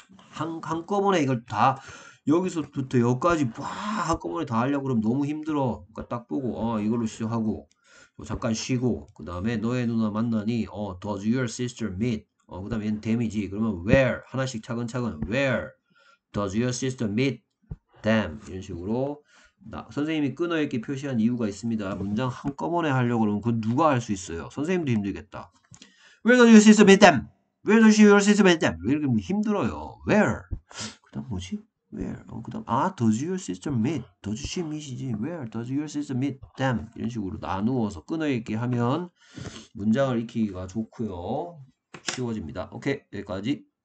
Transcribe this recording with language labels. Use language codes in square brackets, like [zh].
[ko] 한꺼번에 이걸 다 여기서부터 여기까지 와 한꺼번에 다 하려고 그러면 너무 힘들어. 그러니까 딱 보고 이걸로 시작하고 잠깐 쉬고, 그 다음에 너의 누나 만나니, [en] does your sister meet? [ko] 그 다음에 얘는 데미지. 그러면 where? 하나씩 차근차근 where? [en] Does your sister meet them? [ko] 이런 식으로 선생님이 끊어읽기 표시한 이유가 있습니다. 문장 한꺼번에 하려고 그러면 그건 누가 할수 있어요? 선생님도 힘들겠다. [en] Where does your sister meet them? Where does your sister meet them? [ko] 왜 이렇게 힘들어요? Where? 그다음 뭐지? Where? 그다음 [en] does your sister meet? Does she meet이지? Where does your sister meet them? [ko] 이런 식으로 나누어서 끊어읽기 하면 문장을 익히기가 좋고요. 쉬워집니다. 오케이, 여기까지.